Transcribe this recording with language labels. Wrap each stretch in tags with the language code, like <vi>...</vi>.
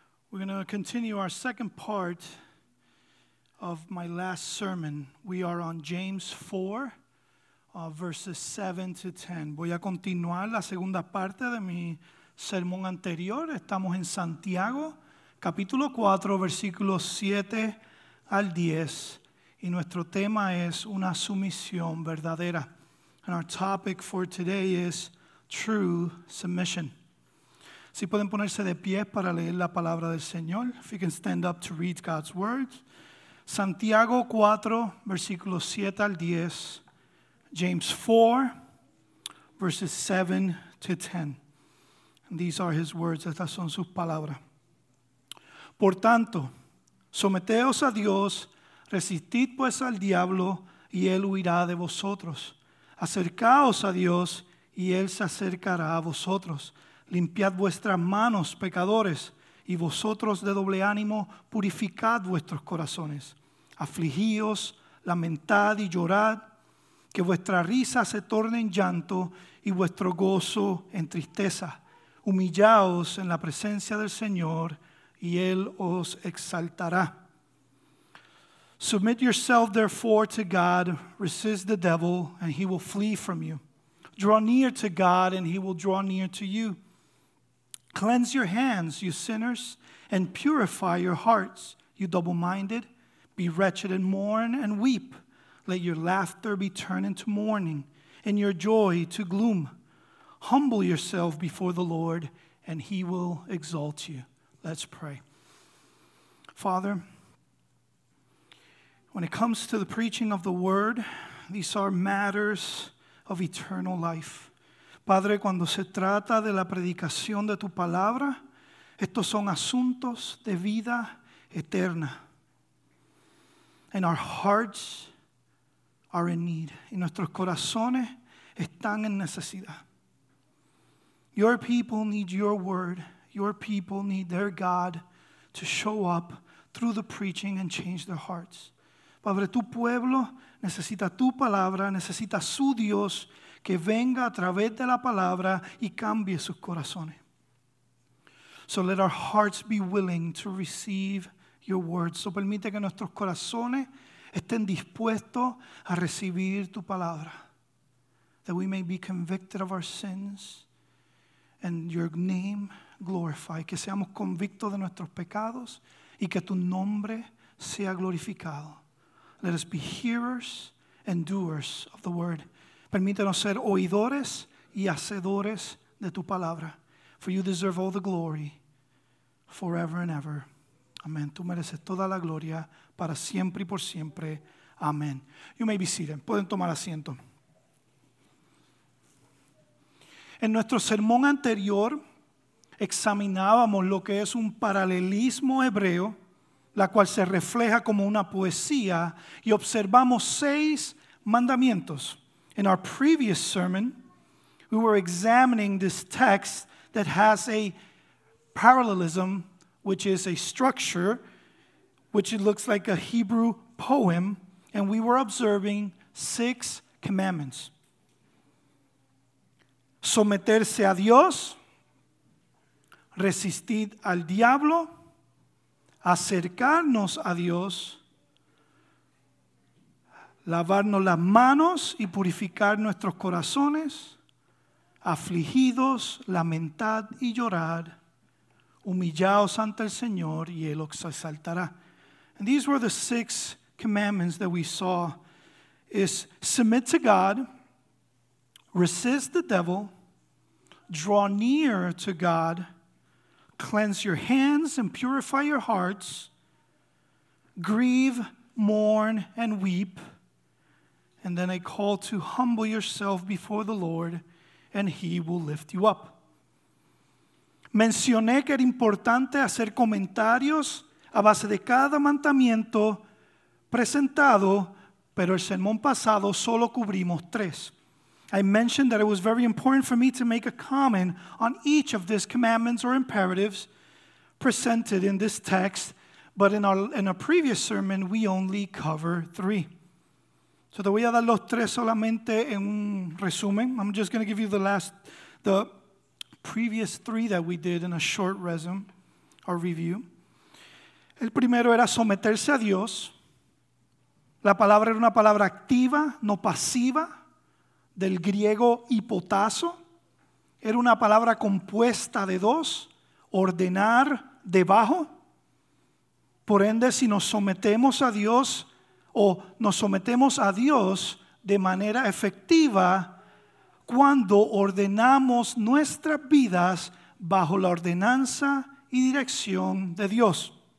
<en>We're going to continue our second part of my last sermon. We are on James 4, verses 7 to 10.</en> <es>Voy a continuar la segunda parte de mi sermón anterior. Estamos en Santiago, capítulo 4, versículos 7 al 10. Y nuestro tema es una sumisión verdadera.</es> <en>And our topic for today is true submission.</en> <es>Si pueden ponerse de pie para leer la palabra del Señor.</es> <en>If you can stand up to read God's word.</en> <es>Santiago 4, versículos 7 al 10.</es> <en>James 4, verses 7 to 10. And these are his words.</en> <es>Estas son sus palabras. Por tanto, someteos a Dios, resistid pues al diablo, y él huirá de vosotros. Acercaos a Dios, y él se acercará a vosotros. Limpiad vuestras manos, pecadores, y vosotros de doble ánimo, purificad vuestros corazones. Afligíos, lamentad y llorad, que vuestra risa se torne en llanto y vuestro gozo en tristeza. Humillaos en la presencia del Señor, y él os exaltará.</es> <en>Submit yourself, therefore, to God. Resist the devil, and he will flee from you. Draw near to God, and he will draw near to you. Cleanse your hands, you sinners, and purify your hearts, you double-minded. Be wretched and mourn and weep. Let your laughter be turned into mourning, and your joy to gloom. Humble yourself before the Lord, and he will exalt you. Let's pray. Father, when it comes to the preaching of the word, these are matters of eternal life.</en> <es>Padre, cuando se trata de la predicación de tu palabra, estos son asuntos de vida eterna.</es> <en>And our hearts are in need.</en> <es>Y nuestros corazones están en necesidad.</es> <en>Your people need your word. Your people need their God to show up through the preaching and change their hearts.</en> <es>Padre, tu pueblo necesita tu palabra, necesita su Dios que venga a través de la palabra y cambie sus corazones.</es> <en>So let our hearts be willing to receive your word.</en> <es>So permite que nuestros corazones estén dispuestos a recibir tu palabra.</es> <en>That we may be convicted of our sins and your name glorified.</en> <es>Que seamos convictos de nuestros pecados y que tu nombre sea glorificado.</es> <en>Let us be hearers and doers of the word.</en> <es>Permítanos ser oidores y hacedores de tu palabra.</es> <en>For you deserve all the glory forever and ever. Amen.</en> <es>Tú mereces toda la gloria para siempre y por siempre. Amen.</es> <en>You may be seated.</en> <es>Pueden tomar asiento. En nuestro sermón anterior, examinábamos lo que es un paralelismo hebreo, la cual se refleja como una poesía, y observamos seis mandamientos.</es> <en>In our previous sermon, we were examining this text that has a parallelism, which is a structure, which it looks like a Hebrew poem, and we were observing six commandments.</en> <es>Someterse a Dios, resistid al diablo, acercarnos a Dios, lavarnos las manos y purificar nuestros corazones, afligidos, lamentad y llorad, humillaos ante el Señor y él os exaltará.</es> <en>And these were the six commandments that we saw. Is submit to God, resist the devil, draw near to God, cleanse your hands and purify your hearts, grieve, mourn, and weep, and then a call to humble yourself before the Lord, and he will lift you up.</en> <es>Mencioné que era importante hacer comentarios a base de cada mandamiento presentado, pero el sermón pasado solo cubrimos tres.</es> <en>I mentioned that it was very important for me to make a comment on each of these commandments or imperatives presented in this text, but in a previous sermon, we only cover three.</en> <es>So te voy a dar los tres solamente en un resumen.</es> <en>I'm just going to give you the last, the previous three that we did in a short resume, our review.</en> <es>El primero era someterse a Dios. La palabra era una palabra activa, no pasiva, del griego hipotazo. Era una palabra compuesta de dos, ordenar debajo. Por ende, si nos sometemos a Dios o nos sometemos a Dios de manera efectiva, cuando ordenamos nuestras vidas bajo la ordenanza y dirección de Dios.</es>